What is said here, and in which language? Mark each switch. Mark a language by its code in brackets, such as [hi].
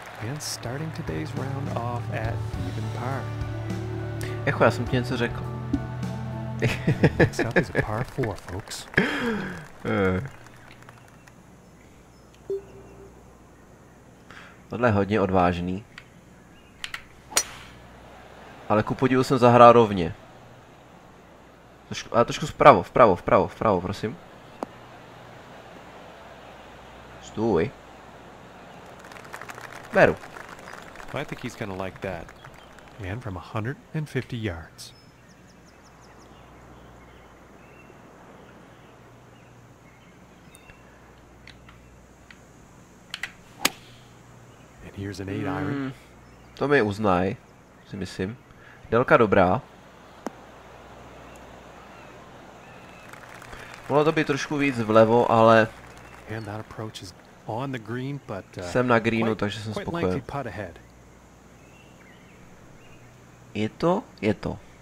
[en] And starting today's round off at even par. [cs] Echo, já jsem ti něco řekl. [en] Next up is a par 4, folks. [cs] Tohle je hodně odvážný. Ale ku podivu jsem zahrál rovně. Ale trošku vpravo, prosím. Stůj. Beru. [en] I think he's gonna like that. And from 150 yards. And here's an 8 iron. [cs] To mi uznaj, si myslím. Délka dobrá. Mohlo to být trošku víc vlevo, ale... [en] And that approach is on the green, but, [cs] jsem na greenu, takže jsem spokojen. Je to.